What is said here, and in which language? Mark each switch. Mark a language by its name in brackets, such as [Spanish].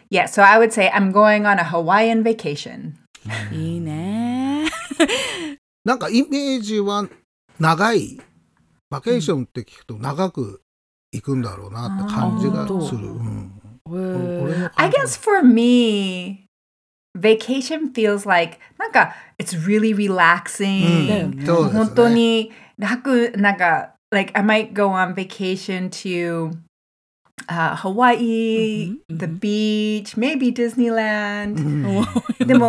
[English] Yeah, so I would say I'm going on a Hawaiian vacation. [Japanese] いいね。なんかイメージは長い。バケーションって聞くと長く行くんだろうなって感じがする。うん、 [English] I guess for me, vacation feels like, なんか it's really relaxing.、うんね、 [Japanese] 本当に楽、なんか [English] like I might go on vacation to... Hawaii,、mm-hmm. the beach, maybe Disneyland.、Mm-hmm.